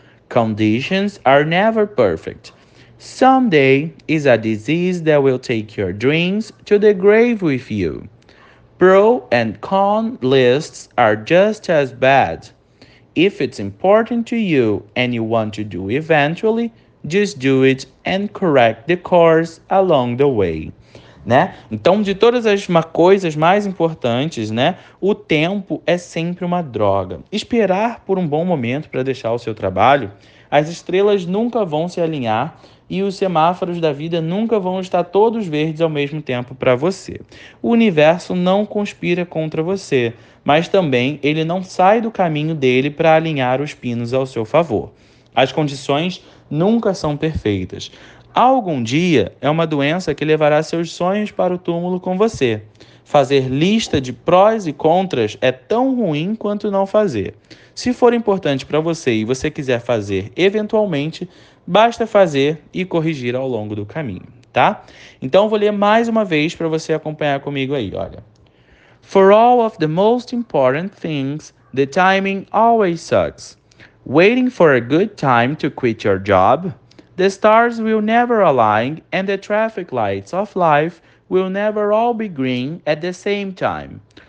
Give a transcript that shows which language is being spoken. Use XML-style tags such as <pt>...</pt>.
<en>Conditions are never perfect. Someday is a disease that will take your dreams to the grave with you. Pro and con lists are just as bad. If it's important to you and you want to do eventually, just do it and correct the course along the way.</en> <pt>Né? Então, de todas as coisas mais importantes, né, o tempo é sempre uma droga. Esperar por um bom momento para deixar o seu trabalho, as estrelas nunca vão se alinhar e os semáforos da vida nunca vão estar todos verdes ao mesmo tempo para você. O universo não conspira contra você, mas também ele não sai do caminho dele para alinhar os pinos ao seu favor. As condições nunca são perfeitas. Algum dia é uma doença que levará seus sonhos para o túmulo com você. Fazer lista de prós e contras é tão ruim quanto não fazer. Se for importante para você e você quiser fazer eventualmente, basta fazer e corrigir ao longo do caminho, tá? Então vou ler mais uma vez para você acompanhar comigo aí, olha.</pt> <en>For all of the most important things, the timing always sucks. Waiting for a good time to quit your job? The stars will never align and the traffic lights of life will never all be green at the same time.</en>